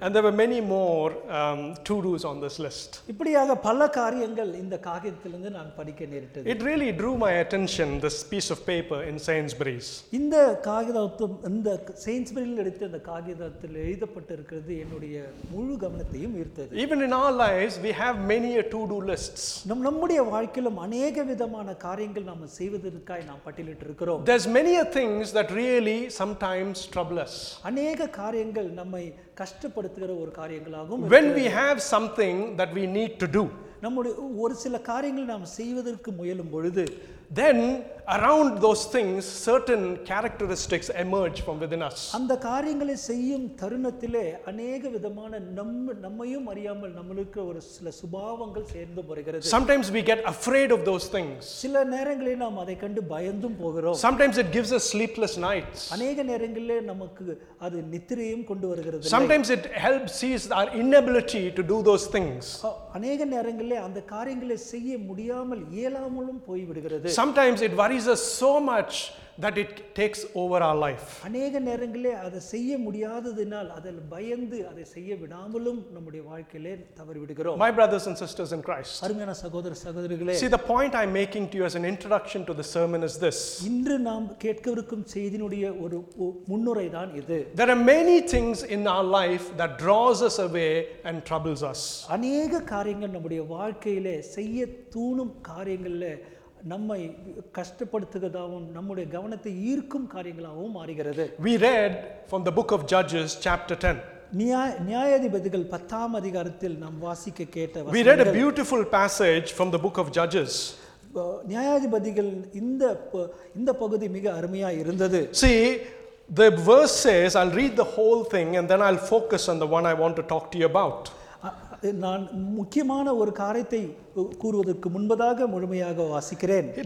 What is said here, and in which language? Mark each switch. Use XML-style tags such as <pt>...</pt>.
<en>And there were many more to-dos on this list.</en> <ta>இப்படியாக பல காரியங்கள் இந்த காகிதத்திலிருந்து நான் படிக்க நேரிட்டது.</ta> <en>It really drew my attention, this piece of paper in Sainsbury's.</en> <ta>இந்த காகிதத்தில் இந்த சைன்ஸ்பரியில் எடுத்த அந்த காகிதத்தில் எழுதப்பட்டிருக்கிறது என்னுடைய முழு கவனத்தையும் ஈர்த்தது.</ta> <en>Even in our lives we have many a to-do lists.</en> <ta>நம்முடைய வாழ்க்கையிலும் அநேக விதமான காரியங்கள் நாம் செய்வதற்காய் நாம் பட்டியலிட்டு இருக்கிறோம்.</ta> <en>There's many a things that really sometimes troubles.</en> <ta>அநேக காரியங்கள் நம்மை கஷ்டப்படுத்துகிற ஒரு காரியங்களாகும்.</ta> <en>When we have something that we need to do.</en> <ta>நம்முடைய ஒரு சில காரியங்களை நாம் செய்வதற்கு முயலும் பொழுது,</ta> <en>then around those things certain characteristics emerge from within us.</en> <ta>அந்த காரியங்களை செய்யும் தருணத்திலே அநேக விதமான நம்மையும் அறியாமல் நம்மளுக்கு ஒரு சில சுபாவங்கள் சேர்ந்து போகிறது.</ta> <en>Sometimes we get afraid of those things.</en> <ta>சில நேரங்களில் நாம் அதை கண்டு பயந்தும் போகிறோம்.</ta> <en>Sometimes it gives us sleepless nights.</en> <ta>அநேக நேரங்களில் நமக்கு அது நித்திரையும் கொண்டு வருகிறது.</ta> <en>Sometimes it helps sees our inability to do those things.</en> <ta>அநேக நேரங்களில் அந்த காரியங்களை செய்ய முடியாமல் இயலாமலும் போய்விடுகிறது.</ta> <en>Sometimes it worries us so much that it takes over our life.</en> <ta>அநேகம் நேரங்களே அதை செய்ய முடியாததினால் அதில் பயந்து அதை செய்ய விடாமலும் நம்முடைய வாழ்க்கையிலே தவறி விடுகிறோம்.</ta> <en>My brothers and sisters in Christ.</en> <ta>அருமையான சகோதர சகோதரிகளே.</ta> <en>See, the point I'm making to you as an introduction to the sermon is this.</en> <ta>இன்று நாம் கேட்கவிருக்கும் செய்தியினுடைய ஒரு முன்னுரை தான் இது.</ta> <en>There are many things in our life that draws us away and troubles us.</en> <ta>அநேக காரியங்கள் நம்முடைய வாழ்க்கையிலே செய்ய தூணும் காரியங்களே நம்மை கஷ்டப்படுத்துகிறதாகவும் நம்முடைய கவனத்தை ஈர்க்கும் காரியங்களாகவும் மாறுகிறது.</ta> <en>We read from the book of Judges chapter 10.</en> <ta>நியாயாதிபதிகள் 10 அதிகாரத்தில் நாம் வாசிக்க கேட்ட வசனம்.</ta> <en>We read a beautiful passage from the book of Judges.</en> <ta>நியாயாதிபதிகள் இந்த பகுதி மிக அருமையா இருந்தது.</ta> <en>See, the verse says, I'll read the whole thing and then I'll focus on the one I want to talk to you about.</en> <ta>நான் முக்கியமான ஒரு காரியத்தை கூறுவதற்கு முன்பதாக முழுமையாக வாசிக்கிறேன்.</ta>